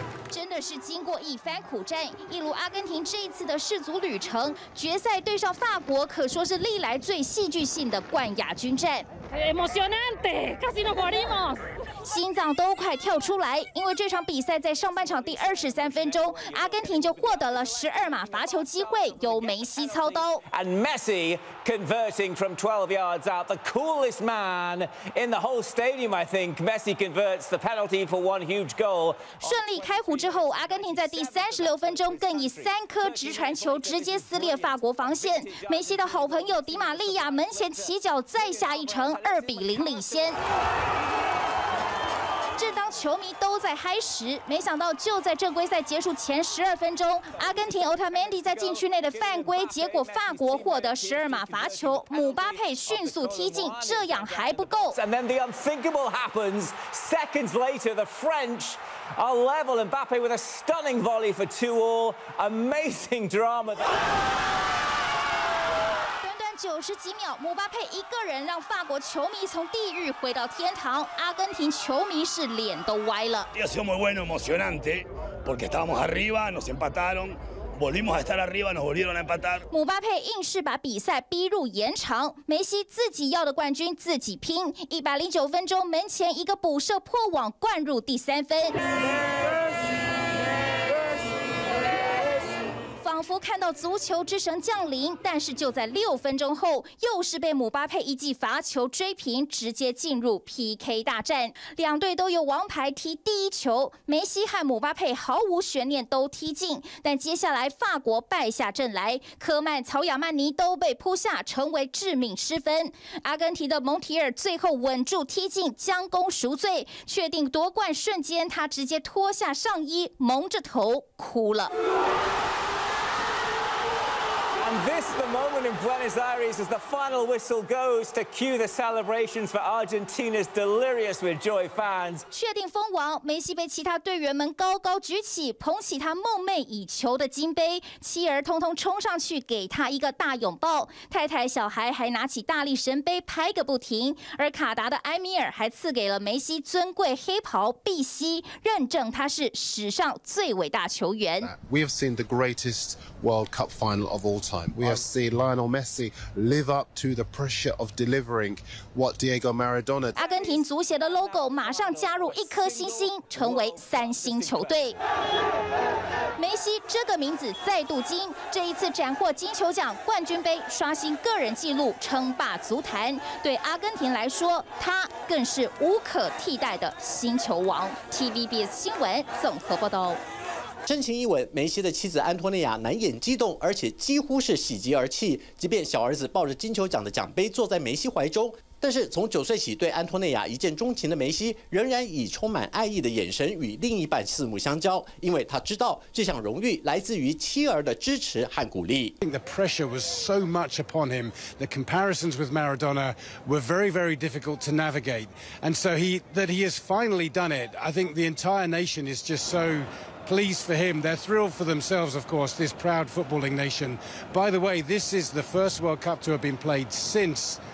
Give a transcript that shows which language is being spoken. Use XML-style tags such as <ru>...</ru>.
<zh>真的是经过一番苦战，一如阿根廷这一次的世足旅程，决赛对上法国可说是历来最戏剧性的冠亚军战。</zh> <es>Emocionante, casi nos morimos。</es> <zh>心脏都快跳出来，因为这场比赛在上半场第23分钟，阿根廷就获得了12码罚球机会，由梅西操刀。</zh> <en>And Messi converting from 12 yards out, the coolest man in the whole stadium, I think. Messi converts the penalty for one huge goal.</en> <zh>顺利开壶之后，阿根廷在第36分钟更以三颗直传球直接撕裂法国防线。梅西的好朋友迪玛利亚门前起脚再下一城，2-0领先。正当球迷都在嗨时，没想到就在正规赛结束前12分钟，阿根廷 Otamendi 在禁区内的犯规，结果法国获得12码罚球，姆巴佩迅速踢进，这样还不够。</zh> <en>And then the unthinkable happens. Seconds later, the French are level, and Mbappe with a stunning volley for 2-2. Amazing drama.</en> <zh>90几秒，姆巴佩一个人让法国球迷从地狱回到天堂，阿根廷球迷是脸都歪了。</zh> <es>Ha sido muy bueno, emocionante, porque estábamos arriba, nos empataron, volvimos a estar arriba, nos volvieron a empatar.</es> <zh>姆巴佩硬是把比赛逼入延长，梅西自己要的冠军自己拼。 109分钟，门前一个补射破网，灌入第三分。仿佛看到足球之神降临，但是就在6分钟后，又是被姆巴佩一记罚球追平，直接进入 PK 大战。两队都由王牌踢第一球，梅西和姆巴佩毫无悬念都踢进，但接下来法国败下阵来，科曼、曹亚曼尼都被扑下，成为致命失分。阿根廷的蒙提尔最后稳住踢进，将功赎罪，确定夺冠瞬间，他直接脱下上衣，蒙着头哭了。</zh> <en>And this the moment in Buenos Aires as the final whistle goes to cue the celebrations for Argentina's delirious with joy fans.</en> <zh>确定封王，梅西被其他队员们高高举起，捧起他梦寐以求的金杯，妻儿通通冲上去给他一个大拥抱，太太小孩还拿起大力神杯拍个不停，而卡达的埃米尔还赐给了梅西尊贵黑袍碧玺，认证他是史上最伟大球员。</zh> <en>We have seen the greatest World Cup final of all time. We have seen Lionel Messi live up to the pressure of delivering what Diego Maradona.</en> <zh>阿根廷足协的 logo 马上加入一颗星星，成为三星球队。梅西这个名字再度金，这一次斩获金球奖、冠军杯，刷新个人纪录，称霸足坛。对阿根廷来说，他更是无可替代的星球王。TVBS 新闻综合报道。真情一吻，梅西的妻子安托内亚难掩激动，而且几乎是喜极而泣。即便小儿子抱着金球奖的奖杯坐在梅西怀中，但是从九岁起对安托内亚一见钟情的梅西，仍然以充满爱意的眼神与另一半四目相交，因为他知道这项荣誉来自于妻儿的支持和鼓励。</zh> <en>I think the pressure was so much upon him. The comparisons with Maradona were very, very difficult to navigate. And so he has finally done it. I think the entire nation is just so pleased for him. They're thrilled for themselves, of course. This proud footballing nation. By the way, this is the first World Cup to have been played since.</en>